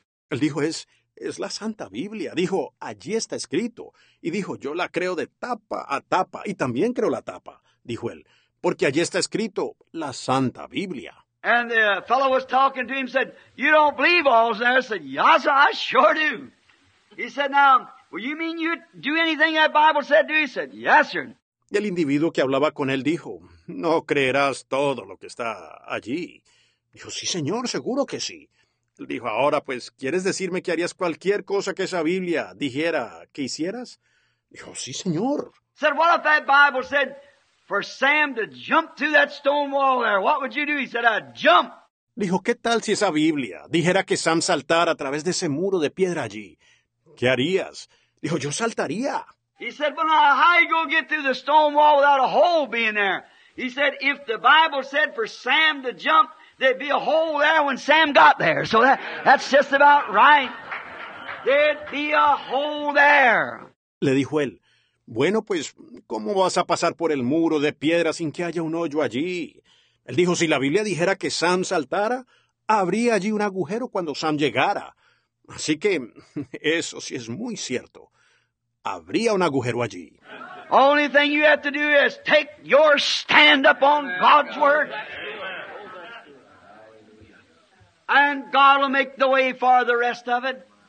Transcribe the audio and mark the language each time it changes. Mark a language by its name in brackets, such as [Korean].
[Spanish] Él dijo, es la Santa Biblia. Dijo, allí está escrito. Y dijo, yo la creo de tapa a tapa y también creo la tapa, dijo él. Porque allí está escrito la Santa Biblia. [English] And the fellow was talking to him, said, you don't believe all there? I said, yes, I sure do. He said, now, well, you mean you do anything that Bible said to you? He said, yes, sir. [Spanish] El individuo que hablaba con él dijo, no creerás todo lo que está allí. Dijo, sí, señor, seguro que sí. Él dijo, ahora, pues, ¿quieres decirme que harías cualquier cosa que esa Biblia dijera que hicieras? Dijo, sí, señor. [English] He said, what if that Bible said, for Sam to jump through that stone wall there, what would you do? He said, I'd jump. [Spanish] Dijo, ¿qué tal si esa Biblia dijera que Sam saltara a través de ese muro de piedra allí? ¿Qué harías? Dijo, yo saltaría. [English] He said, well, now, how are you going to get through the stone wall without a hole being there? He said, if the Bible said for Sam to jump, there'd be a hole there when Sam got there. So that's just about right. There'd be a hole there. [Spanish] Le dijo él, bueno, pues, ¿cómo vas a pasar por el muro de piedra sin que haya un hoyo allí? Él dijo, si la Biblia dijera que Sam saltara, habría allí un agujero cuando Sam llegara. Así que, eso sí es muy cierto. Habría un agujero allí. [English] Only thing you have to do is take your stand up on God's word. And God will make the way for the rest of it.